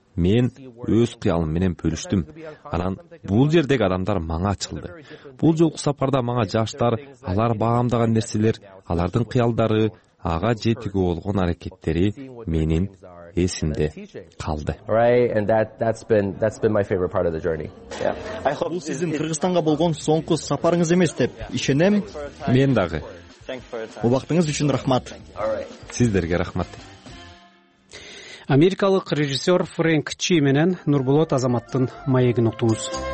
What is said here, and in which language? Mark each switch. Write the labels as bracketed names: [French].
[Kyrgyz] Мен өз кыялым менен бөлүштүм. Анан бул жердеги адамдар мага ачылды. Бул жолку сапарда мага жаштар, алар баамдаган нерселер, алардын кыялдары, ага жетүүгө болгон аракеттери менин эсимде калды. [English] That's been my favorite part of the journey. Yeah. [Kyrgyz] Бул сиздин Кыргызстанга болгон соңку сапарыңыз эмес деп ишенем. Мен дагы. Убактыңыз үчүн рахмат. Сиздерге рахмат. Америкалык режиссер Фрэнк Чи менен Нурболот Азаматтын маегин уктуңуз.